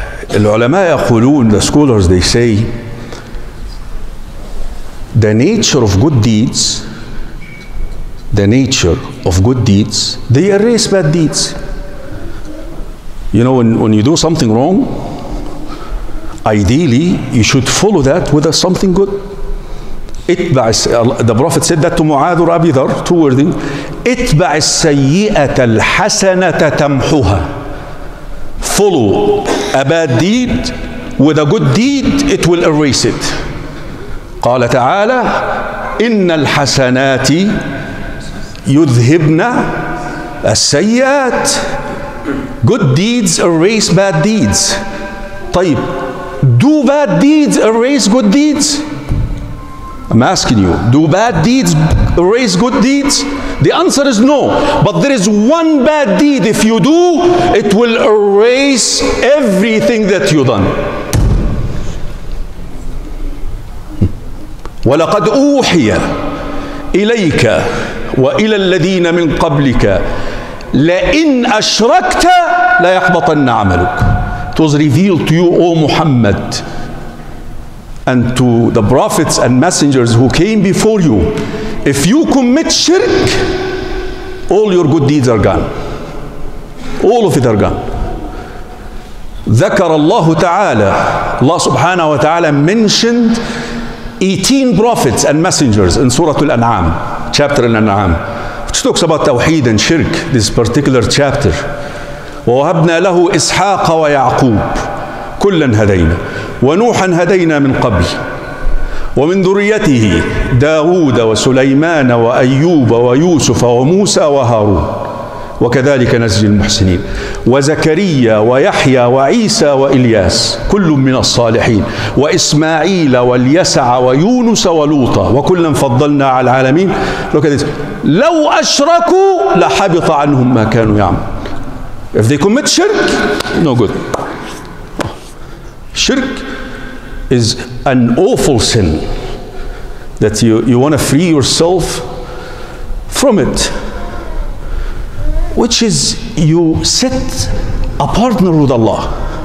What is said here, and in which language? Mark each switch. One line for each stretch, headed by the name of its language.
Arabic: العلماء يقولون,
English: the scholars, they say, the nature of good deeds, the nature of good deeds, they erase bad deeds. You know, when you do something wrong, ideally, you should follow that with something good. اتبع, the Prophet said that to Mu'adh or Abi Dharr, two words.
Arabic: اتبع السيئة الحسنة تمحوها.
English: Follow a bad deed with a good deed, it will erase it.
Arabic: قال تعالى إن الحسنات يذهبن السيئات.
English: Good deeds erase bad deeds.
Arabic: طيب,
English: do bad deeds erase good deeds? I'm asking you, do bad deeds erase good deeds? The answer is no. But there is one bad deed, if you do, it will erase everything that you've done.
Arabic: وَلَقَدْ أُوحِيَ إِلَيْكَ وَإِلَى الَّذِينَ مِنْ قَبْلِكَ لَإِنْ أَشْرَكْتَ لَيَحْبَطَنَّ عَمَلُكَ.
English: It was revealed to you, O Muhammad, and to the prophets and messengers who came before you. If you commit shirk, all your good deeds are gone. All of it are gone.
Arabic: ذكر الله تعالى, الله سبحانه وتعالى
English: mentioned 18 prophets and messengers in Surah Al-An'am, chapter Al-An'am, which talks about Tawheed and Shirk, this particular chapter.
Arabic: وَوَهَبْنَا لَهُ إِسْحَاقَ وَيَعْقُوبَ كُلًّا هَدَيْنَا وَنُوحًا هَدَيْنَا مِنْ قَبْلِهِ وَمِنْ ذُرِّيَّتِهِ دَاوُودَ وَسُلَيْمَانَ وَأَيُّوبَ وَيُوسُفَ وَمُوسَى وَهَارُونَ وكذلك نزل المحسنين وزكريا ويحيى وعيسى وإلياس كل من الصالحين وإسماعيل واليسع ويونس ولوطا وكلا فضلنا على العالمين.
English: Look at this.
Arabic: لو أشركوا لحبط عنهم ما كانوا يعملون.
English: If they commit shirk, no good. Shirk is an awful sin that you want to free yourself from it. Which is, you set a partner with Allah.